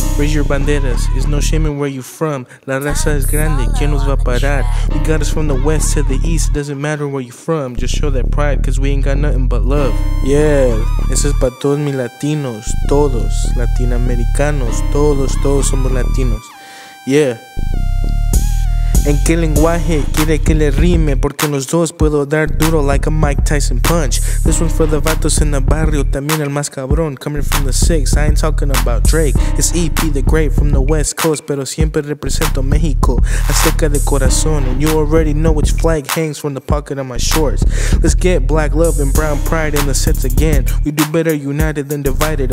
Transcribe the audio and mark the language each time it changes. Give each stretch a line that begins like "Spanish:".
English: Raise your banderas, it's no shame in where you from.
Spanish: La raza es grande, ¿quién nos va a parar?
English: You got us from the west to the east, it doesn't matter where you from. Just show that pride, cause we ain't got nothing but love.
Spanish: Yeah, eso es pa' todos mis latinos, todos. Latinoamericanos, todos, todos somos latinos. Yeah. ¿En qué lenguaje quiere que le rime? Porque los dos puedo dar duro
English: like a Mike Tyson punch. This one's for the
Spanish: vatos en el barrio, también el más cabrón.
English: Coming from the six, I ain't talking about Drake. It's EP the Great from the West Coast,
Spanish: pero siempre represento México. Azteca de corazón,
English: and you already know which flag hangs from the pocket of my shorts. Let's get black love and brown pride in the sets again. We do better united than divided.